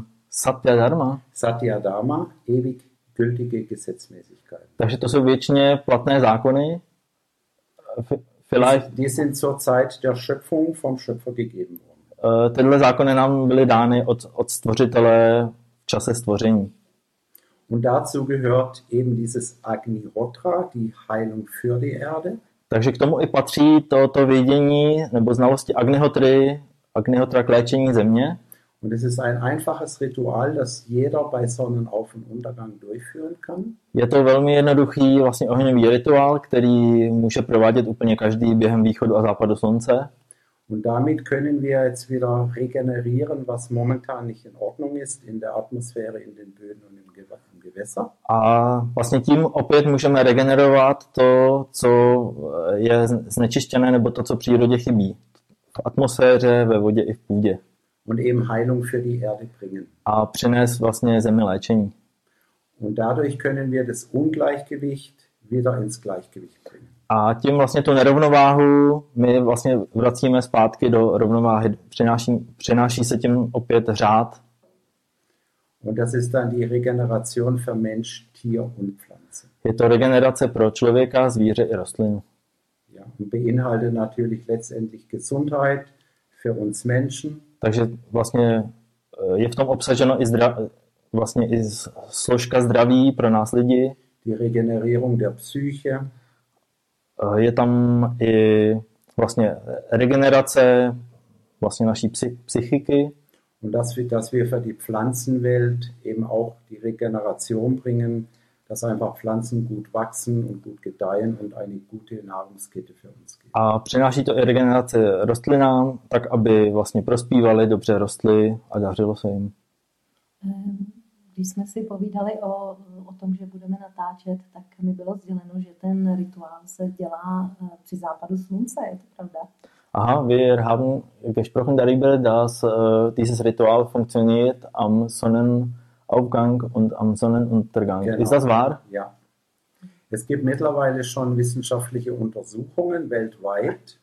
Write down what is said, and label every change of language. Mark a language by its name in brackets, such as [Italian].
[German] Satyadharma. Satyadharma, ewig gültige Gesetzmäßigkeiten. [Czech] Takže to jsou většině platné zákony. [German] Vielleicht. Die sind zur Zeit der Schöpfung vom Schöpfer gegeben worden. [Czech] Tyhle zákony nám byly dány od stvořitele v čase stvoření. [German] Und dazu gehört eben dieses Agnihotra, die Heilung für die Erde. [Czech] Takže k tomu i patří toto vědění nebo znalosti Agnihotry, Agnihotra k léčení země. [German] Und es ist ein einfaches Ritual, das jeder bei Sonnenauf- und Untergang durchführen kann. [Czech] Je to velmi jednoduchý vlastně ohňový rituál, který může provádět úplně každý během východu a západu slunce. [German] Und damit können wir jetzt wieder regenerieren, was momentan nicht in Ordnung ist in der Atmosphäre, in den Böden und im Gewässer. [Czech] A vlastně tím opět můžeme regenerovat to, co je znečištěné nebo to, co přírodě chybí. V atmosféře, ve vodě i v půdě. [German] Und eben Heilung für die Erde bringen. [Czech] A přinést vlastně zemi léčení. [German] Und dadurch können wir das Ungleichgewicht wieder ins Gleichgewicht bringen. [Czech] A tím vlastně tu nerovnováhu my vlastně vracíme zpátky do rovnováhy, přináší se tím opět řád. [German] Und das ist dann die Regeneration für Mensch, Tier und Pflanze. [Czech] Je to regenerace pro člověka, zvíře i rostlinu. [German] Ja, und beinhaltet natürlich letztendlich Gesundheit für uns Menschen. [Czech] Takže vlastně je v tom obsaženo i vlastně i složka zdraví pro nás lidi. [German] Die Regenerierung der Psyche. [Czech] Je tam i vlastně regenerace vlastně naší psychiky. [German] Und dass wir für die Pflanzenwelt eben auch die Regeneration bringen, dass einfach Pflanzen gut wachsen und gut gedeihen und eine gute Nahrungskette für uns geben. [Czech] A přináší to i regenerace rostlinám, tak aby vlastně prospívaly, dobře rostly a dařilo se jim. Když jsme si povídali o tom, že budeme natáčet, tak mi bylo sděleno, že ten rituál se dělá při západu slunce, je to pravda? [German] Aha, wir haben gesprochen darüber, dass dieses Ritual funktioniert am Sonnenaufgang und am Sonnenuntergang. Genau. Ist das wahr? Ja. Es gibt mittlerweile schon wissenschaftliche Untersuchungen weltweit.